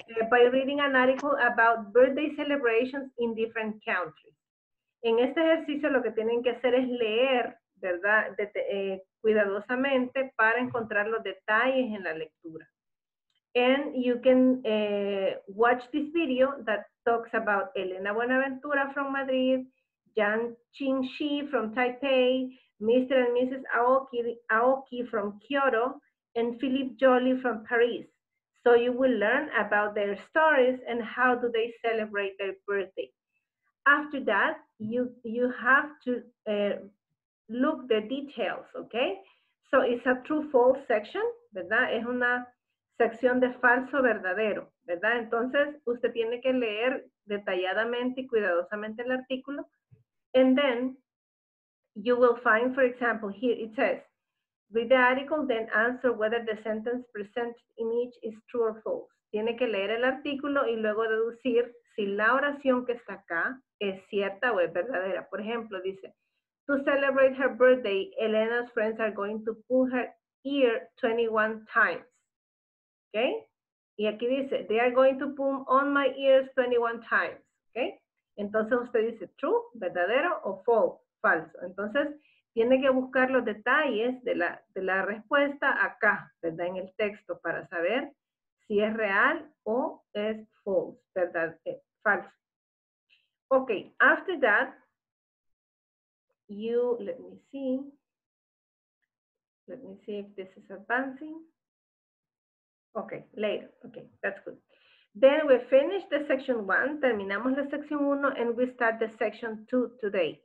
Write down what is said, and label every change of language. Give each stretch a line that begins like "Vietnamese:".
English: By reading an article about birthday celebrations in different countries.
Spanish: En este ejercicio lo que tienen que hacer es leer, ¿verdad? Cuidadosamente para encontrar los detalles en la lectura.
English: And you can watch this video that talks about Elena Buenaventura from Madrid, Yan Qingxi from Taipei, Mr. and Mrs. Aoki from Kyoto, and Philippe Jolly from Paris. So you will learn about their stories and how do they celebrate their birthday. After that, you have to look the details, okay? So it's a true-false section,
Spanish: ¿verdad? Es una sección de falso-verdadero, ¿verdad? Entonces, usted tiene que leer detalladamente y cuidadosamente el artículo.
English: And then, you will find, for example, here it says, read the article, then answer whether the sentence presented in each is true or false.
Spanish: Tiene que leer el artículo y luego deducir si la oración que está acá es cierta o es verdadera. Por ejemplo, dice,
English: to celebrate her birthday, Elena's friends are going to pull her ear 21 times. Okay?
Spanish: Y aquí dice,
English: they are going to pull on my ears 21 times. Okay?
Spanish: Entonces usted dice, true, verdadero o false, falso. Entonces, tiene que buscar los detalles de la respuesta acá, ¿verdad? En el texto para saber si es real o es false, ¿verdad? Falso.
English: Ok, after that, let me see if this is advancing. Ok, later, ok, that's good. Then we finish the section 1,
Spanish: terminamos la sección 1,
English: and we start the section 2 today.